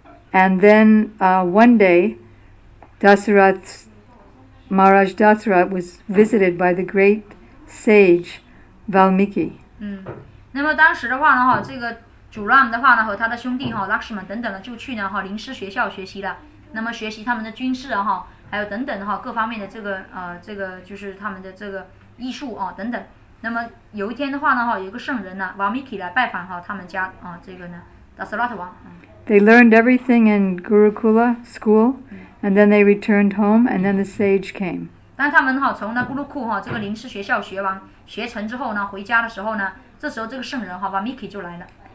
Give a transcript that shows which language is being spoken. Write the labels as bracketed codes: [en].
[en] And then one day, Maharaj Dasarath was visited by the great sage Valmiki. [zh] 那么当时的话呢，哈，这个。主 Ram 的话呢，和他的兄弟哈 Lakshman 等等呢，就去呢哈灵师学校学习了。那么学习他们的军事啊哈，还有等等哈各方面的这个这个就是他们的这个艺术啊等等。那么有一天的话呢哈，有个圣人呢 Valmiki 来拜访哈他们家啊这个呢 Dasarath 王。 [en] They learned everything in Gurukula school, and then they returned home, and then the sage came. [zh] 当他们哈从那 Gurukula 哈这个灵师学校学完学成之后呢，回家的时候呢，这时候这个圣人哈 Valmiki 就来了。